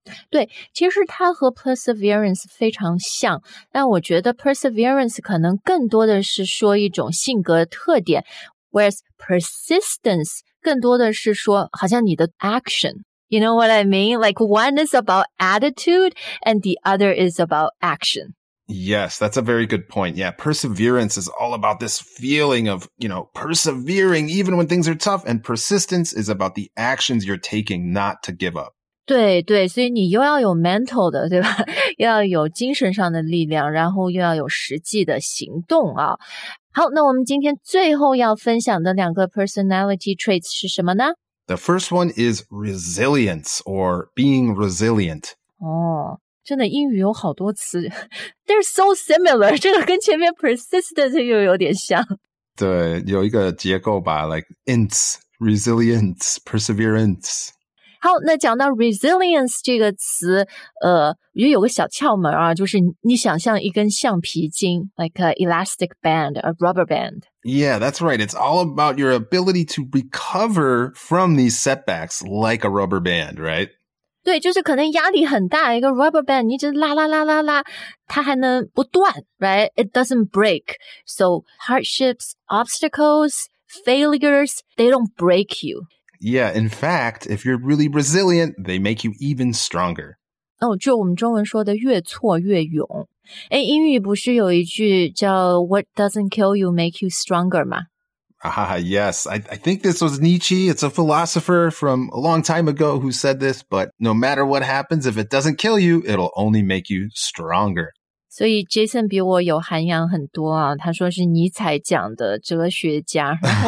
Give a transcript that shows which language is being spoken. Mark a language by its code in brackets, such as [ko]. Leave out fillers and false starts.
[zh] 对其实它和 perseverance 非常像但我觉得 perseverance 可能更多的是说一种性格特点 [en] whereas persistence [zh] 更多的是说好像你的 action. [en] You know what I mean? Like one is about attitude and the other is about action. Yes, that's a very good point. Yeah, perseverance is all about this feeling of, you know, persevering even when things are tough. And persistence is about the actions you're taking not to give up. [zh] 对对所以你又要有 mental 的对吧又要有精神上的力量然后又要有实际的行动啊。好那我们今天最后要分享的两个 personality traits 是什么呢 [en] The first one is resilience or being resilient. [zh] 哦真的英语有好多词 [en] They're so similar, [zh] 这个跟前面 persistent 又有点像。对有一个结构吧 like ints, resilience, perseverance。好那讲到 resilience 这个词也有个小窍门啊就是你想象一根橡皮筋 [en] like an elastic band, a rubber band. Yeah, that's right. It's all about your ability to recover from these setbacks like a rubber band, right? [zh] 对就是可能压力很大一个 rubber band, 你一直拉拉拉拉拉它还能不断 right? [en] It doesn't break. So hardships, obstacles, failures, they don't break you. Yeah, in fact, if you're really resilient, they make you even stronger. [zh] Oh, 就我们中文说的越挫越勇。诶英语不是有一句叫 [en] What doesn't kill you make you stronger [zh] 吗 [en] Ah, yes. I think this was Nietzsche. It's a philosopher from a long time ago who said this, but no matter what happens, if it doesn't kill you, it'll only make you stronger. [zh] 所以 Jason 比我有涵养很多啊他说是尼采讲的哲学家。